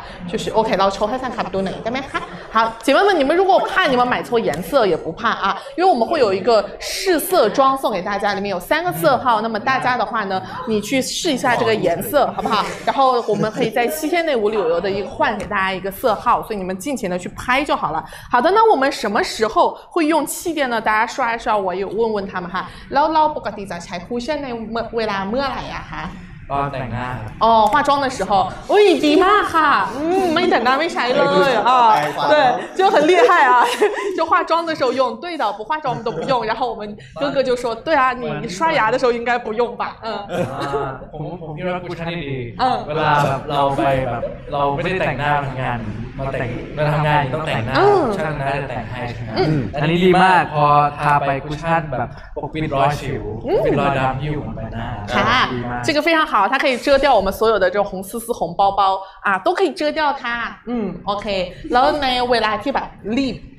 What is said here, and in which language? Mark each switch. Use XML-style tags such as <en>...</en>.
<zh>就是</zh> <th>โอเคเราโชว์ให้ท่านขับดูหน่อยได้ไหมคะ</th> <zh>好姐妹们你们如果怕你们买错颜色也不怕啊因为我们会有一个试色装送给大家里面有三个色号那么大家的话呢你去试一下这个颜色好不好然后我们可以在七天内无理由的一个换给大家一个色号所以你们尽情的去拍就好了好的那我们什么时候会用气垫呢大家刷一刷我也问问他们哈</zh> <th>แล้วเราปกติจะใช้คุชเช่นในเวลาเมื่อไหร่อ่ะคะ ตอนแต่งหน้า</th> <zh>อ๋อ化妆的时候</zh> <th>โอ้ยดีมากค่ะไม่แต่งหน้าไม่ใช้เลยอ่ะ</th> <zh>对就很厉害啊就化妆的时候用对的不化妆我们都不用然后我们哥哥就说对啊你刷牙的时候应该不用吧嗯</zh> <th>ผมคิดว่าคุชเช่นดีเวลาเราไปแบบเราไม่ได้แต่งหน้าทำงานมาแต่งมาทำงานต้องแต่งหน้าช่างหน้าจะแต่งให้ใช่ไหมอันนี้ดีมากพอทาไปคุชเช่นแบบปกปิดรอยฉิวปิดรอยดำที่อยู่บนใบหน้า</th> <zh>ค่ะ这个非常好它可以遮掉我们所有的这种红丝丝红包包啊都可以遮掉它嗯 OK 然后呢未来就把 LIP</zh>